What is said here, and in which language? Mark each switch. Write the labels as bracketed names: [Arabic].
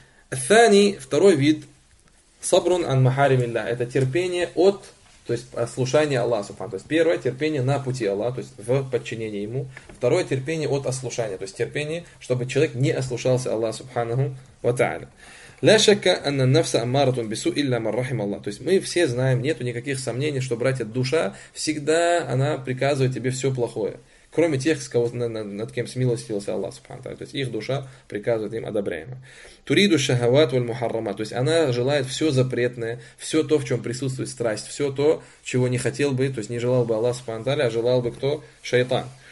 [Russian] Второй вид [Arabic] сабрун ан махаримилля, [Russian] это терпение от, то есть ослушания Аллаха. То есть первое терпение на пути Аллаха, то есть в подчинении Ему. Второе терпение от ослушания, то есть терпение, чтобы человек не ослушался Аллаха Субханаху ва Тааля. [Arabic] لا شك أن النفس أمارة بسوء إلا من رحم الله. [Russian] То есть мы все знаем, нету никаких сомнений, что, братья, душа всегда она приказывает тебе все плохое. кроме тех, с кого, над кем смилостился Аллах Субхану Тааля. То есть их душа приказывает им одобряемое. [Arabic] Туриду шахават валь мухаррама. [Russian] То есть она желает все запретное, все то, в чем присутствует страсть, все то, чего не хотел бы, то есть не желал бы Аллах Субхану Тааля, а желал бы кто? Шайтан.